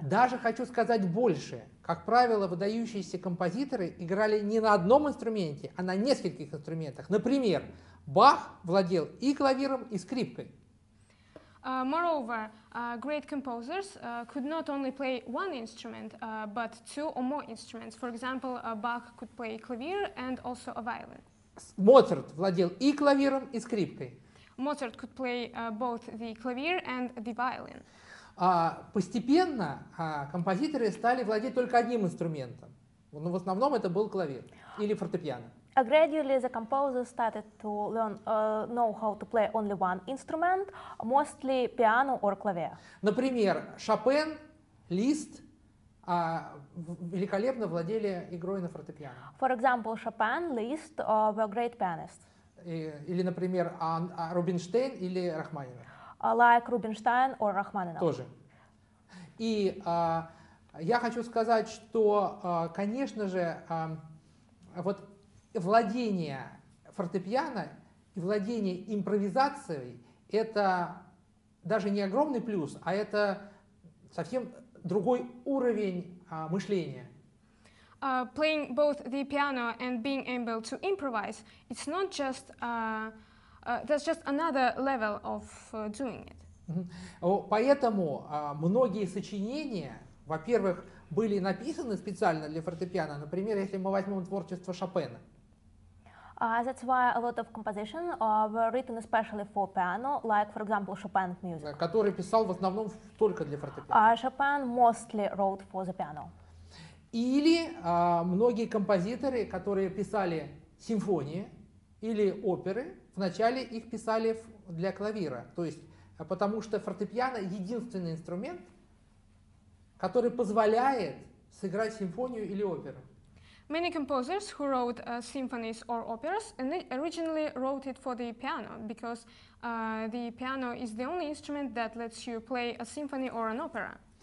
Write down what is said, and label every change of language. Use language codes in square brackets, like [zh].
[ru] Даже хочу сказать больше. Как правило, выдающиеся композиторы играли не на одном инструменте, а на нескольких инструментах. Например, Бах владел и клавиром, и скрипкой. [en] Moreover, great composers could not only play one instrument, but two or more instruments. For example, Bach could play clavier and also a violin. [ru] Моцарт владел и клавиром, и скрипкой. [en] Mozart could play both the clavier and the violin. [ru] Постепенно композиторы стали владеть только одним инструментом. Но в основном это был клавир или фортепиано. [en] Gradually the composers started to learn know how to play only one instrument, mostly piano or clavier. [ru] Например, Шопен, Лист великолепно владели игрой на фортепиано. [en] For example, Chopin, Liszt were great pianists. [ru] Или, например, Рубинштейн или Рахманинов? [en] Like Rubinstein or Rachmaninoff. [ru] Тоже. И я хочу сказать, что, конечно же, вот владение фортепиано и владение импровизацией — это даже не огромный плюс, а это совсем другой уровень мышления. [en] Playing both the piano and being able to improvise, it's not just that's just another level of doing it. [ru] Поэтому многие сочинения, во-первых, были написаны специально для фортепиано. Например, если мы возьмем творчество Шопена. [en] That's why a lot of compositions were written especially for piano, like, for example, Chopin's music. [ru] Который писал в основном только для фортепиано. [en] Chopin mostly wrote for the piano. [ru] Или многие композиторы, которые писали симфонии или оперы, вначале их писали для клавира. То есть, потому что фортепиано — единственный инструмент, который позволяет сыграть симфонию или оперу. [en] Many composers who wrote symphonies or operas and they originally wrote it for the piano, because the piano is the only instrument that lets you play a symphony or an opera.